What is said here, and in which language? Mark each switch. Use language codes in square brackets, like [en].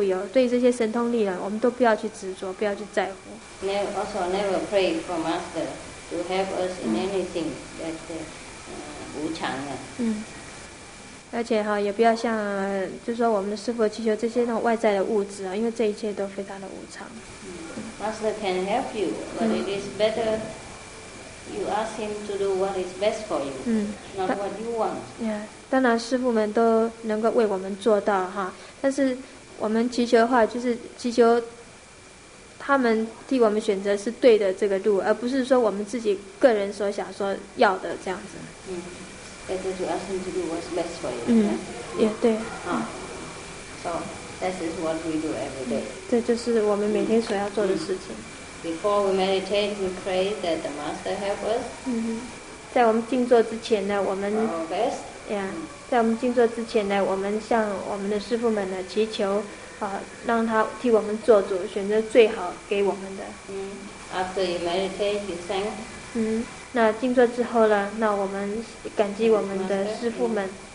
[zh] 所以不要去在乎，对于这些富有，对于这些神通力量，我们都不要去执着，不要去在乎。 [en] Also never pray for master to help us in anything that 无常的。 [zh] 而且也不要像，就是说我们的师父祈求这些那种外在的物质啊，因为这一切都非常的无常。 [en] Master can help you, but it is better you ask him to do what is best for you, not what you want. [zh] 当然，师父们都能够为我们做到，但是我们祈求的话，就是祈求他们替我们选择是对的这个路，而不是说我们自己个人所想说要的这样子。 [en] Better to ask him to do what's best for you. [zh] 也对。 [en] So, this is what we do every day. [zh] 这就是我们每天所要做的事情。 [en] before we meditate, we pray that the master help us. [zh] 在我们静坐之前呢，我们 [en] our best. Yeah. [zh] 在我们静坐之前呢，我们向我们的师父们呢祈求，啊，让他替我们做主，选择最好给我们的。 [en] After you meditate, you thank. [zh] 那静坐之后呢，那我们感激我们的师父们。